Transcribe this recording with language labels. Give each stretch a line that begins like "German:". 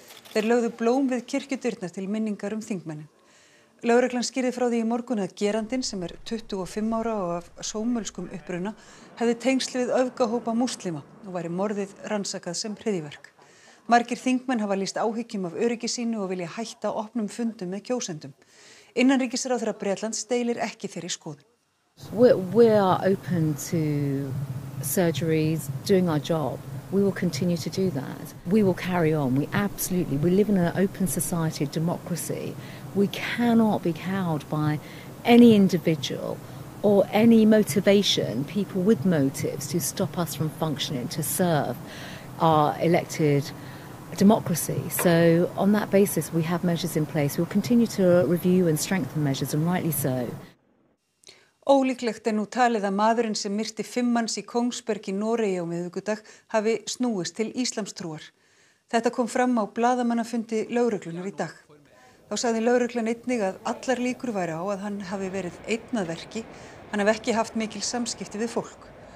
Icelandic: Þeir lögðu blóm við kirkjudyrnar til minningar þingmennin. Lögreglan skýrði frá því í morgun að gerandinn sem 25 ára og af sómölskum uppruna hefði tengsl við öfgahópa múslima og væri morðið rannsakað sem hryðjuverk. Margir þingmenn hafa lýst áhyggjum af öryggi sínu og vilja hætta opnum fundum með kjósendum. Innanríkisráðherra Bretlands deilir ekki þeirri skoðun.
English: We are open to surgeries, doing our job. We will continue to do that. We will carry on. We live in an open society, democracy. We cannot be cowed by any individual or any motivation, people with motives to stop us from functioning, to serve our elected democracy. So on that basis, we have measures in place. We'll continue to review and strengthen measures, and rightly so.
Icelandic: Ólíklegt er nú talið að maðurinn sem myrti 5 manns í Kongsberg í Noregi á miðvikudag hafi snúist til íslamstrúar. Þetta kom fram á blaðamannafundi lögreglunar í dag. Þá sagði lögreglan einnig að allar líkur væri á að hann hafi verið einn að verki, hann hafi ekki haft mikil samskipti við fólk.